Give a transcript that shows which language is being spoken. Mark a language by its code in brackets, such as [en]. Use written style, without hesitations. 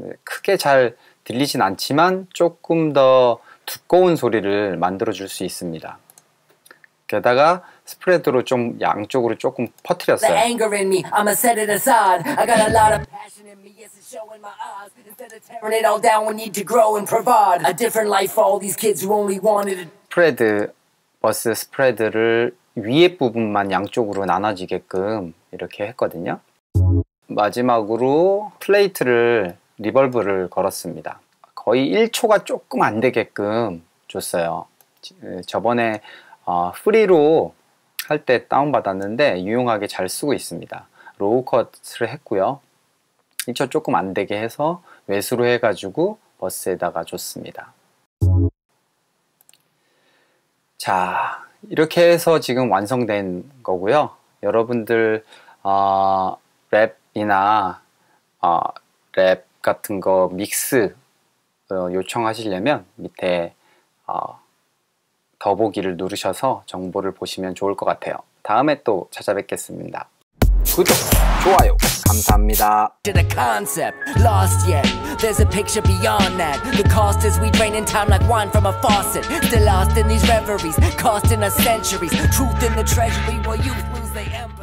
[ko] 크게 잘 들리진 않지만 조금 더 두꺼운 소리를 만들어줄 수 있습니다. 게다가 스프레드로 좀 양쪽으로 조금 퍼뜨렸어요. [en] The anger in me, I'ma set it aside. I got a lot of passion in me, yes, it's showing my eyes. Instead of tearing it all down, we need to grow and provide a different life for all these kids who only wanted it. [ko] 스프레드, 버스 스프레드를 위에 부분만 양쪽으로 나눠지게끔 이렇게 했거든요. 마지막으로 플레이트를, 리벌브를 걸었습니다. 거의 1초가 조금 안 되게끔 줬어요. 저번에 프리로 할 때 다운받았는데 유용하게 잘 쓰고 있습니다. 로우 컷을 했고요. 1초 조금 안 되게 해서 외수로 해가지고 버스에다가 줬습니다. 자, 이렇게 해서 지금 완성된 거고요. 여러분들 랩이나 랩 같은 거 믹스 요청하시려면 밑에 더보기를 누르셔서 정보를 보시면 좋을 것 같아요. 다음에 또 찾아뵙겠습니다. 구독, 좋아요, 감사합니다. [en] To the concept, lost yet. There's a picture beyond that. The cost is we drain in time like wine from a faucet. Still lost in these reveries, costing us centuries. Truth in the treasury, while youth lose their empire.